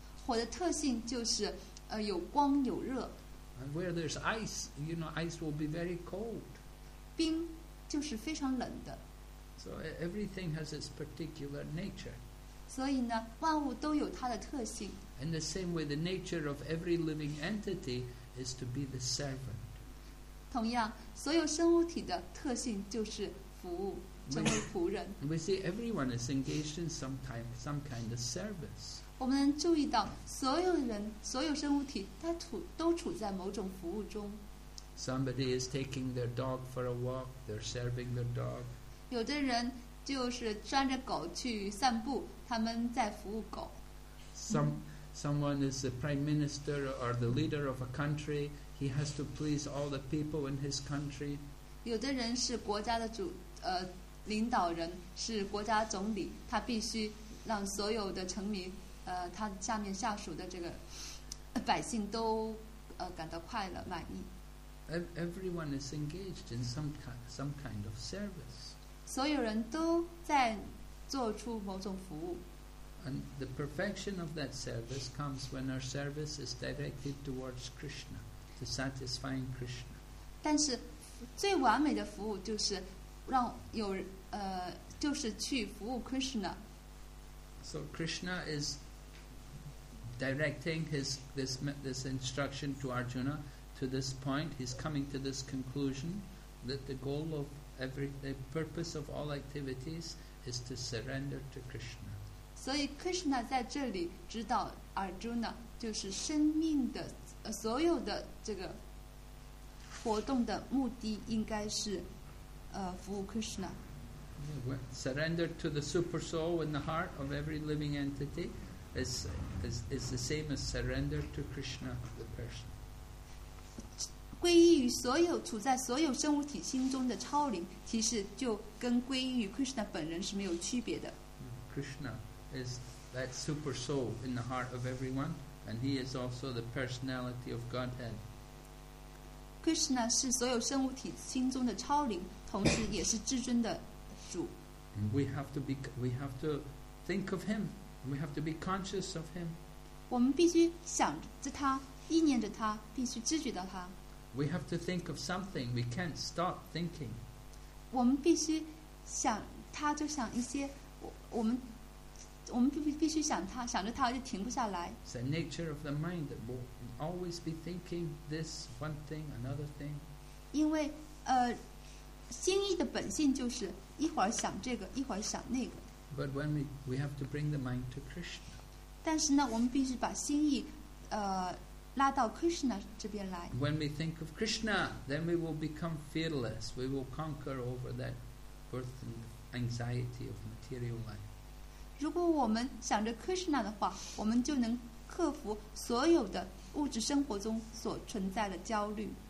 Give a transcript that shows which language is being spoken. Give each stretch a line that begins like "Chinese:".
Chinese: 火的特性就是有光有热。
English: And where there's ice, you know, ice will be very cold.
Chinese: 冰就是非常冷的。
English: So everything has its particular nature.
Chinese: 所以呢，万物都有它的特性。
English: In the same way, the nature of every living entity is to be the servant.
Chinese: 同样，所有生物体的特性就是服务，成为仆人。
English: We see everyone is engaged in some kind of service.
Chinese: 我们能注意到，所有人、所有生物体，它都处在某种服务中。
English: Somebody is taking their dog for a walk. They're serving their dog.
Chinese: 有的人就是拴着狗去散步，他们在服务狗。
English: Someone is the prime minister or the leader of a country. He has to please all the people in his country.
Chinese: 有的人是国家的领导人，是国家总理，他必须让所有的臣民，他下面下属的这个百姓都感到快乐满意。
English: Everyone is engaged in some kind of service.
Chinese: 所有人都在做出某种服务。
English: And the perfection of that service comes when our service is directed towards Krishna, to satisfying Krishna.
Chinese: 但是最完美的服务就是让有就是去服务 Krishna.
English: So Krishna is directing this instruction to Arjuna. To this point, he's coming to this conclusion that the goal of the purpose of all activities is to surrender to Krishna.
Chinese: 所以 Krishna 在这里指导 Arjuna， 就是生命的所有的这个活动的目的应该是服务 Krishna。
English: Surrender to the super soul in the heart of every living entity is the same as surrender to Krishna the person。
Chinese: 皈依于所有处在所有生物体心中的超灵，其实就跟皈依于 Krishna 本人是没有区别的。
English: Krishna. Is that super soul in the heart of everyone, and he is also the personality of Godhead.
Chinese: Krishna 是所有生物体心中的超灵，同时也是至尊的主。
English: We have to think of him. We have to be conscious of him.
Chinese: 我们必须想着他，意念着他，必须知觉到他。
English: We have to think of something. We can't stop thinking.
Chinese: 我们必须想他，就想一些我们必须想他，想着他就停不下来。
English: It's the nature of the mind that will always be thinking this one thing, another thing.
Chinese: 因为心意的本性就是一会儿想这个，一会儿想那个。
English: But when we have to bring the mind to Krishna.
Chinese: 但是呢，我们必须把心意拉到 Krishna 这边来。
English: When we think of Krishna, then we will become fearless. We will conquer over that birth and anxiety of material life.
Chinese: 如果我们想着 Krishna 的话，我们就能克服所有的物质生活中所存在的焦虑。